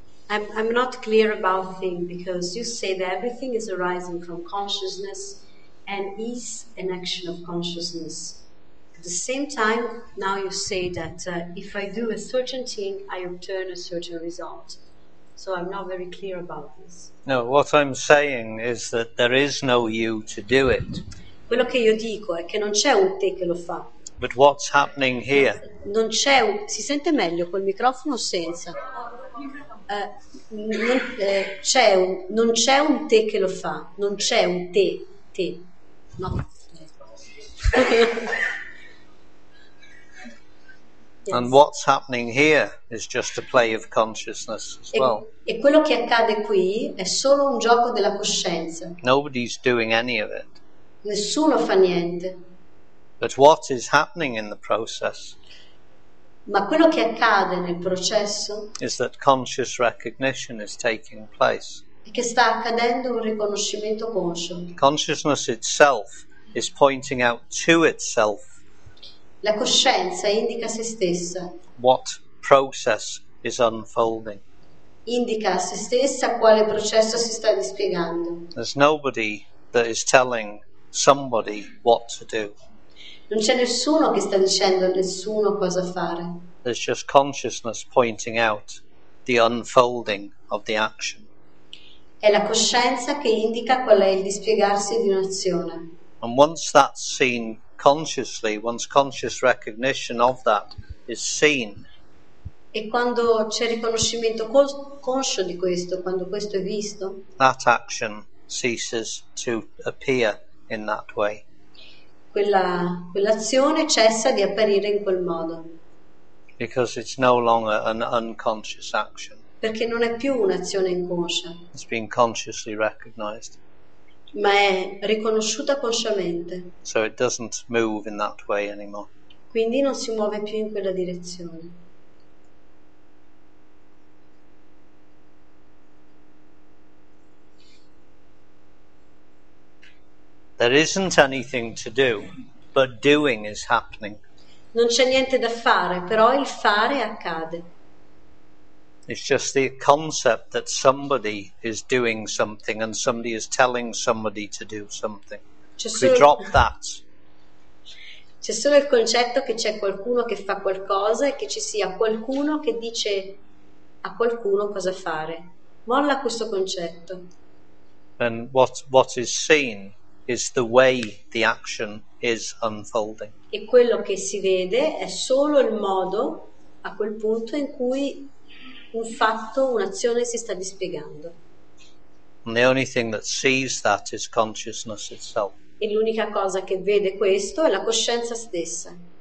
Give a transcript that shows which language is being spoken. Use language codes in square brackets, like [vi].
[en] I'm not clear about thing because you say that everything is arising from consciousness and is an action of consciousness. At the same time, now you say that if I do a certain thing, I obtain a certain result. So I'm not very clear about this. No, what I'm saying is that there is no you to do it. [it] Quello che io dico è che non c'è un te che lo fa. [en] But what's happening here? [it] Non c'è un... Si sente meglio col microfono senza? Non c'è un te che lo fa, non c'è un te. [en] No. Yes. And what's happening here is just a play of consciousness as well. [it] E quello che accade qui è solo un gioco della coscienza. [en] Nobody's doing any of it. [it] Nessuno fa niente. [en] But what is happening in the process? [it] Ma quello che accade nel processo [en] is that conscious recognition is taking place. [it] È che sta accadendo un riconoscimento conscio. [en] Consciousness itself is pointing out to itself. [it] La coscienza indica se stessa. [en] What process is unfolding? [it] Indica a se stessa quale processo si sta dispiegando. [en] There's nobody that is telling somebody what to do. [it] Non c'è nessuno che sta dicendo a nessuno cosa fare. [en] There's just consciousness pointing out the unfolding of the action. [it] È la coscienza che indica qual è il dispiegarsi di un'azione. [en] And once that's seen consciously, once conscious recognition of that is seen, [it] e quando c'è riconoscimento conscio di questo, quando questo è visto, [en] that action ceases to appear in that way. [it] Quell'azione cessa di apparire in quel modo. [en] Because it's no longer an unconscious action. [it] Perché non è più un'azione inconscia. [en] It's been consciously recognized. [it] Ma è riconosciuta consciamente. [en] So it doesn't move in that way anymore. [it] Quindi non si muove più in quella direzione. [en] There isn't anything to do, but doing is happening. [it] Non c'è niente da fare, però il fare accade. [en] It's just the concept that somebody is doing something and somebody is telling somebody to do something. We drop that. [it] C'è solo il concetto che c'è qualcuno che fa qualcosa e che ci sia qualcuno che dice a qualcuno cosa fare. Molla questo concetto. [en] And what is seen is the way the action is unfolding. [it] E quello che si vede è solo il modo a quel punto in cui un fatto, un'azione si sta dispiegando. [en] And the only thing that sees that is consciousness itself. [it] E l'unica cosa che vede questo è la coscienza stessa.